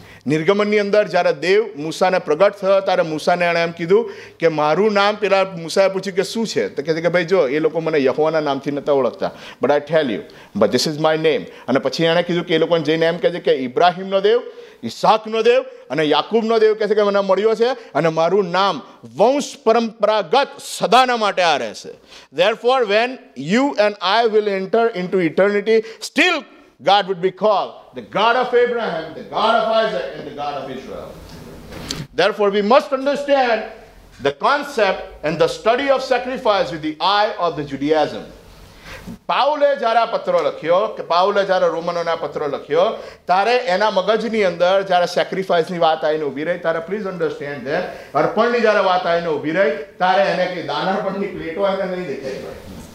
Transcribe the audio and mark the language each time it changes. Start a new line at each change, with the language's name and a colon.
Gujarati: નિર્ગમનની અંદર જ્યારે દેવ મૂસાને પ્રગટ થયો ત્યારે મૂસાને એણે એમ કીધું કે મારું નામ, પેલા મૂસાએ પૂછ્યું કે શું છે, તો કહે છે કે ભાઈ જો એ લોકો મને યહોવાના નામથી નહોતા ઓળખતા,
English: But I tell you but this is my name.
Gujarati: અને પછી એણે કીધું કે એ લોકોને જઈને એમ કહે છે કે ઇબ્રાહીમનો દેવ, ઇસાકનો દેવ અને યાકૂબનો દેવ કહે છે કે મને મળ્યો છે અને મારું નામ વંશ પરંપરાગત સદાના માટે આ રહેશે.
English: Therefore when you and I will enter into eternity, still God would be called the God of Abraham, the God of Isaac, and the God of Israel. Therefore, we must understand the concept and the study of sacrifice with the eye of the Judaism.
Gujarati: પાઉલે જ્યારે આ પત્રો લખ્યો, કે પાઉલે જ્યારે રોમનોને આ પત્રો લખ્યો ત્યારે એના મગજની અંદર જ્યારે સેક્રિફાઈસની વાત આવીને ઊભી રહી ત્યારે,
English: please understand,
Gujarati: અર્પણની જ્યારે વાત આવીને ઊભી રહી ત્યારે એને કંઈ દાનારપણની પ્લેટો એને નહીં દેખાઈ પડે.